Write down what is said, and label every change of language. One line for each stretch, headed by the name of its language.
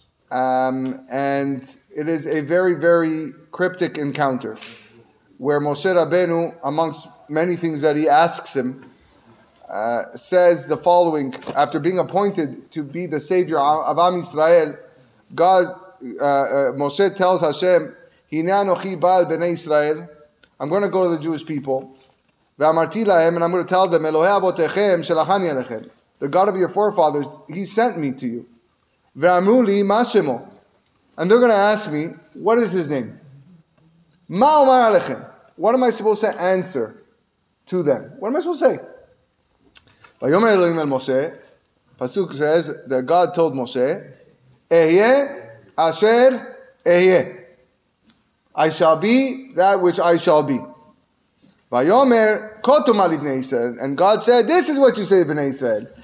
English: And it is a very, very cryptic encounter where Moshe Rabbeinu, amongst many things that he asks him, says the following: after being appointed to be the savior of Am Yisrael, Moshe tells Hashem, I'm going to go to the Jewish people, and I'm going to tell them,
Hebrew: Elohe avotechem shelachani alechem,
English: the God of your forefathers, he sent me to you.
Hebrew: Ve'amru li ma shemo,
English: and they're going to ask me, what is his name?
Hebrew: Ma omar alechem,
English: what am I supposed to answer to them? What am I supposed to say?
Hebrew: ויאמר אלוהים אל משה, פסוק
English: says that God told Moshe,
Hebrew: אהיה אשר אהיה.
English: I shall be that which I shall be.
Hebrew: ויאמר, כתאמר לבני ישראל,
English: and God said, this is what you say to בני ישראל.